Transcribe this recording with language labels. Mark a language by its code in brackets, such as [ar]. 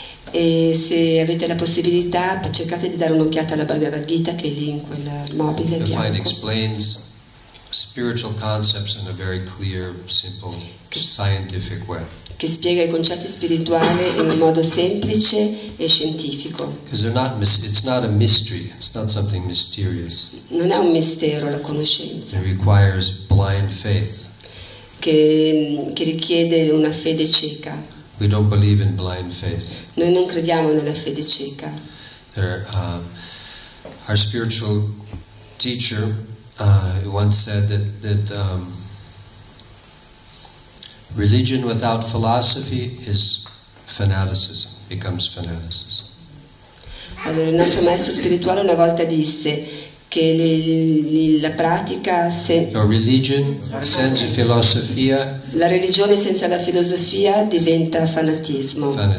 [it] E se avete la possibilità cercate di dare un'occhiata alla Bhagavad Gita che è lì in quel mobile bianco. [en] Find explains spiritual concepts in a very clear, simple, scientific way. [it] Che spiega i concetti spirituali in un modo semplice e scientifico. [en] Because it's not a mystery, it's not something mysterious. [it] Non è un mistero la conoscenza. [en] It requires blind faith. [it] Che richiede una fede cieca. [en] We don't believe in blind faith. [it] Noi non crediamo nella fede cieca. [en] Our spiritual teacher once said that religion without philosophy is fanaticism, becomes fanaticism. [it] Allora, il nostro maestro spirituale una volta disse che la pratica la religione senza la filosofia diventa fanatismo.